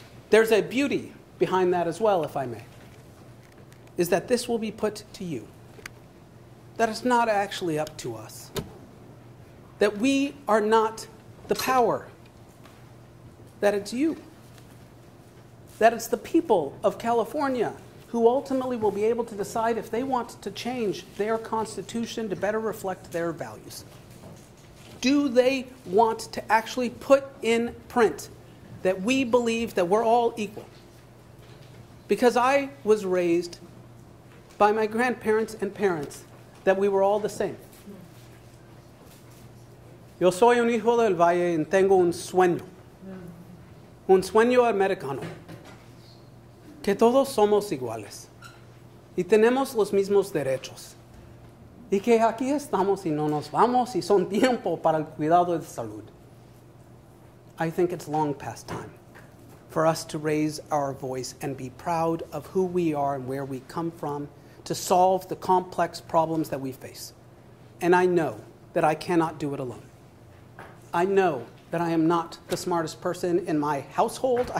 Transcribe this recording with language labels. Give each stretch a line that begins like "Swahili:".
English: There's a beauty behind that as well, if I may, is that this will be put to you, that it's not actually up to us, that we are not the power, that it's you, that it's the people of California who ultimately will be able to decide if they want to change their constitution to better reflect their values. Do they want to actually put in print that we believe that we're all equal? Because I was raised by my grandparents and parents that we were all the same.
Spanish: Yo soy un hijo del valle y tengo un sueño americano, que todos somos iguales y tenemos los mismos derechos y que aquí estamos y no nos vamos y son tiempo para el cuidado de salud.
English: I think it's long past time for us to raise our voice and be proud of who we are and where we come from to solve the complex problems that we face. And I know that I cannot do it alone. I know that I am not the smartest person in my household.